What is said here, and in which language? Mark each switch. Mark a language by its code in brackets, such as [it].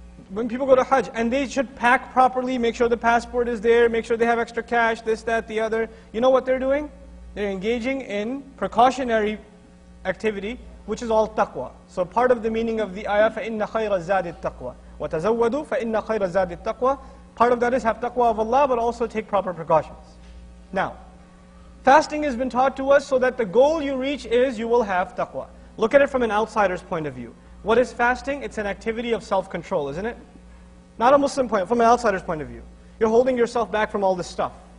[en] When people go to Hajj, and they should pack properly, make sure the passport is there, make sure they have extra cash, this, that, the other. You know what they're doing? They're engaging in precautionary activity, which is all taqwa. So part of the meaning of the ayah, [ar] فَإِنَّ خَيْرَ زَادِ التَّقْوَى وَتَزَوَّدُوا فَإِنَّ خَيْرَ زَادِ التَّقْوَى. [en] Part of that is have taqwa of Allah, but also take proper precautions. Now, fasting has been taught to us so that the goal you reach is you will have taqwa. Look at it from an outsider's point of view. What is fasting? It's an activity of self-control, isn't it? Not a Muslim point, from an outsider's point of view. You're holding yourself back from all this stuff.